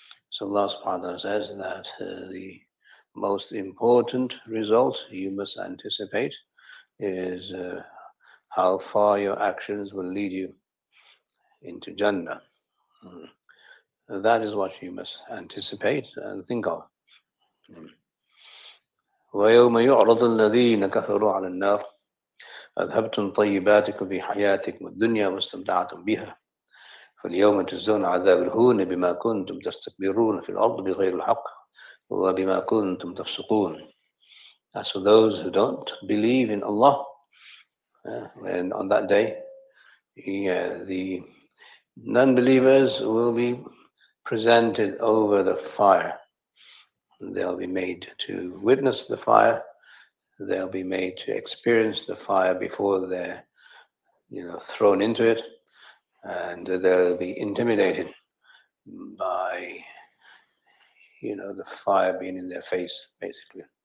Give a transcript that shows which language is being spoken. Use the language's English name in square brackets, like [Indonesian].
[English] So Allah subhanahu wa ta'ala says that the most important result you must anticipate is how far your actions will lead you into Jannah. That is what you must anticipate and think of. [Arabic] وَيَوْمَ يُعْرَضُ الَّذِينَ كَفَرُوا عَلَى النَّارِ أذهبتم طيباتكم في حياتكم الدنيا واستمتعتم بها فاليوم تجزون عذاب الهون بما كنتم تستكبرون في الأرض بغير الحق وبما كنتم تفسقون [English] As for those who don't believe in Allah, and on that day, the non-believers will be presented over the fire. They'll be made to witness the fire. They'll be made to experience the fire before they're thrown into it, and they'll be intimidated by the fire being in their face, basically.